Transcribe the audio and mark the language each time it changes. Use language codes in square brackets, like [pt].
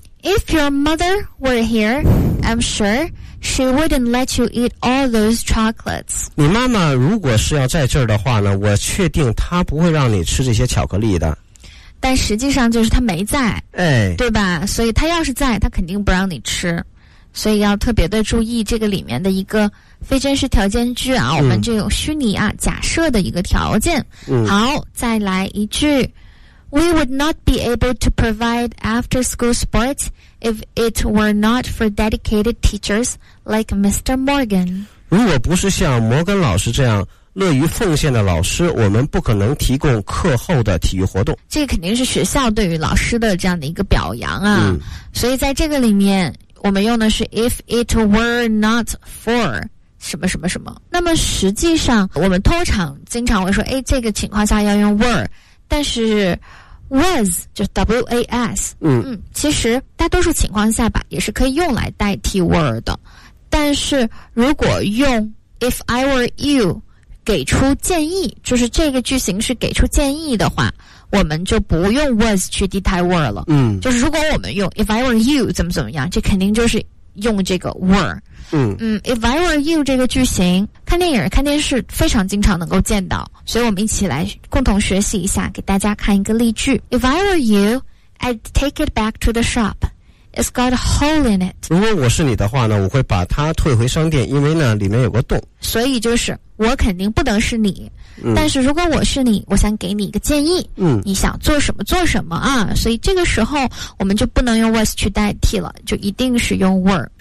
[en] If your mother were here, I'm sure she wouldn't let you eat all those chocolates. [zh] 你妈妈如果是要在这儿的话呢，我确定她不会让你吃这些巧克力的。但实际上就是她没在，哎，对吧？所以她要是在，她肯定不让你吃。所以要特别的注意这个里面的一个非真实条件句啊，我们这种虚拟啊、假设的一个条件。嗯、好，再来一句。 [en] We would not be able to provide after-school sports if it were not for dedicated teachers like Mr. Morgan. [zh] 如果不是像摩根老师这样乐于奉献的老师，我们不可能提供课后的体育活动。这肯定是学校对于老师的这样的一个表扬啊。嗯、所以在这个里面，我们用的是 [en] if it were not for [zh] 什么什么什么。那么实际上，我们通常经常会说，哎，这个情况下要用 were。但是 was 就 W-A-S 嗯，其实大多数情况下吧也是可以用来代替 were 的，但是如果用 [en] if I were you [zh] 给出建议，就是这个句型是给出建议的话，我们就不用 was 去替代 were 了。嗯，就是如果我们用 [en] if I were you [zh] 怎么怎么样，这肯定就是用这个 were。嗯嗯 [en] if I were you [zh] 这个句型看电影看电视非常经常能够见到，所以我们一起来共同学习一下，给大家看一个例句。 [en] If I were you, I'd take it back to the shop. It's got a hole in it. [zh] 如果我是你的话呢，我会把它退回商店，因为呢里面有个洞。所以就是我肯定不能是你、嗯、但是如果我是你，我想给你一个建议、嗯、你想做什么做什么啊。所以这个时候我们就不能用 was 去代替了，就一定是用 were。